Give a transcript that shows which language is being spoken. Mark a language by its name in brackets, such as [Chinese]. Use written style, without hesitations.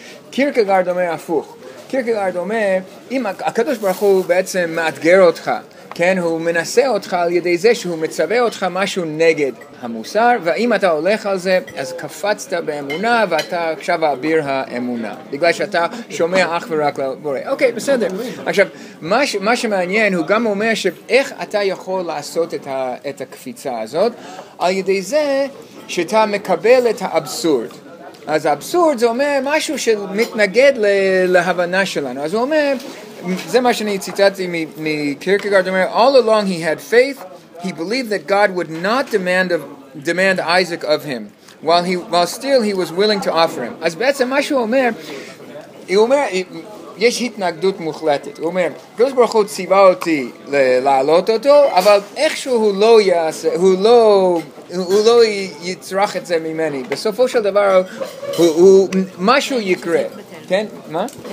[Hebrew] קירקגרד אומר הפוך. קירקגרד אומר, אם הקדוש ברוך הוא בעצם מאתגר אותך, כן, הוא מנסה אותך על ידי זה שהוא מצווה אותך משהו נגד המוסר, ואם אתה הולך על זה, אז קפצת באמונה, ואתה עכשיו אביר האמונה, בגלל שאתה שומע אך ורק לבורא. אוקיי, בסדר. עכשיו, מה שמעניין, הוא גם אומר שאיך אתה יכול לעשות את הקפיצה הזאת, על ידי זה שאתה מקבל את האבסורד. אז האבסורד זה אומר משהו שמתנגד להבנה שלנו. אז הוא אומר, זה מה שאני ציטטתי מקירקגרד, אומר, [English] all along he had faith, he believed that God would not demand Isaac of him, while still he was willing to offer him. [Hebrew] אז בעצם מה שהוא אומר, הוא אומר, יש התנגדות מוחלטת. הוא אומר, קדוש ברוך הוא ציווה אותי להעלות אותו, אבל איכשהו הוא לא יעשה, הוא לא יצרח את זה ממני. בסופו של דבר, משהו יקרה. כן? מה?